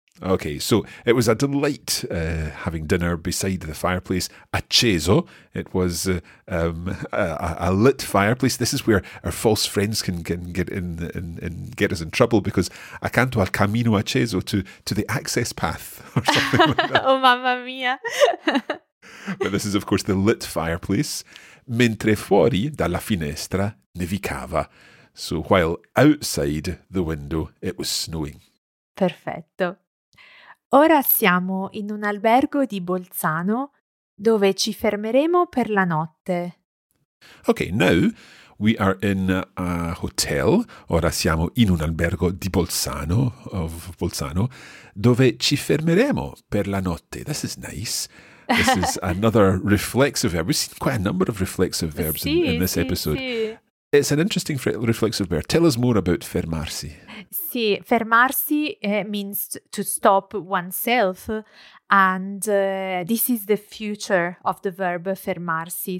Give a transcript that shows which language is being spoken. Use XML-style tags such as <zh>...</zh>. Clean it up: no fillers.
<en>Okay, so it was a delight having dinner beside the fireplace. Acceso, it was a lit fireplace. This is where our false friends can get in and get us in trouble, because</en> <it>accanto al camino acceso,</it> <en>to the access path or something like that.</en> <it>Oh, mamma mia.</it> <en>But this is, of course, the lit fireplace.</en> <it>Mentre fuori dalla finestra nevicava.</it> <en>So while outside the window, it was snowing.</en> <it>Perfetto. Ora siamo in un albergo di Bolzano dove ci fermeremo per la notte.</it> <en>Okay, now we are in a hotel.</en> <it>Ora siamo in un albergo di Bolzano, of Bolzano, dove ci fermeremo per la notte.</it> <en>This is nice. This is another reflexive verb. We've seen quite a number of reflexive verbs in this episode. Sì. It's an interesting reflexive verb. Tell us more about fermarsi. Sì, fermarsi means to stop oneself. And this is the future of the verb fermarsi.</en>